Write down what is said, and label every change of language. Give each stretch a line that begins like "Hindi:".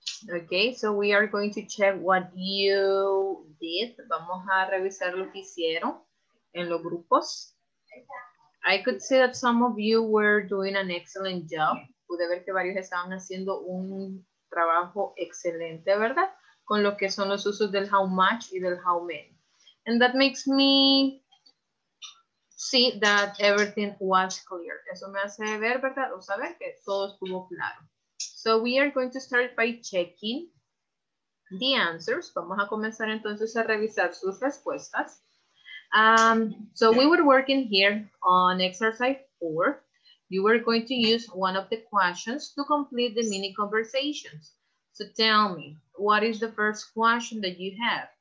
English: Okay, so we are going to check what you did.
Spanish: Vamos a revisar lo que hicieron en los grupos.
English: I could see that some of you were doing an excellent job.
Spanish: Pude ver que varios estaban haciendo un trabajo excelente, ¿verdad? Con lo que son los usos del how much y del how many.
English: And that makes me see that everything was clear.
Spanish: Eso me hace ver, ¿verdad? O saber que todo estuvo claro.
English: So we are going to start by checking the answers.
Spanish: Vamos a comenzar entonces a revisar sus respuestas.
English: So we were working here on exercise 4. You were going to use one of the questions to complete the mini conversations. So tell me, what is the first question that you have?